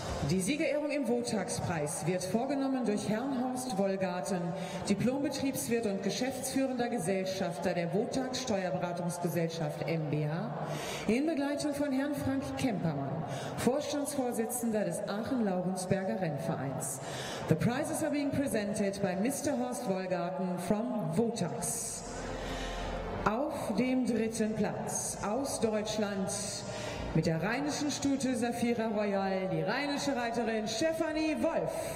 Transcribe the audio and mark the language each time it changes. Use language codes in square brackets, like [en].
[de] Die Siegerehrung im Wohltagspreis wird vorgenommen durch Herrn Horst Wollgarten, Diplombetriebswirt und geschäftsführender Gesellschafter der Wohltags Steuerberatungsgesellschaft MBH, in Begleitung von Herrn Frank Kempermann, Vorstandsvorsitzender des Aachen-Laurensberger Rennvereins. [en] The prizes are being presented by Mr. Horst Wollgarten from Wohltags. [de] Auf dem dritten Platz aus Deutschland mit der rheinischen Stute Saphira Royal, die rheinische Reiterin Stefanie Wolf.